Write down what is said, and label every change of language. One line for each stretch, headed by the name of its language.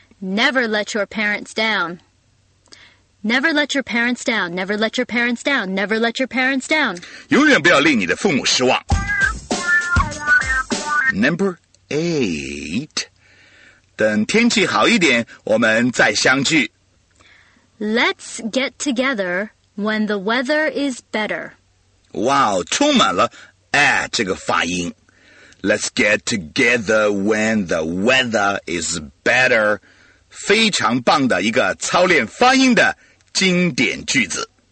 English: Never let your parents down. Never let your parents down. Never let your parents down. Never let your parents down.
Chinese: 永远不要令你的父母失望。
English: Number 8.
Chinese: 等天气好一点，我们再相聚。
English: Let's get together when the weather is better.
Chinese: Wow, 充满了 at 这个发音。
English: Let's get together when the weather is better.
Chinese: 非常棒的一个操练发音的经典句子。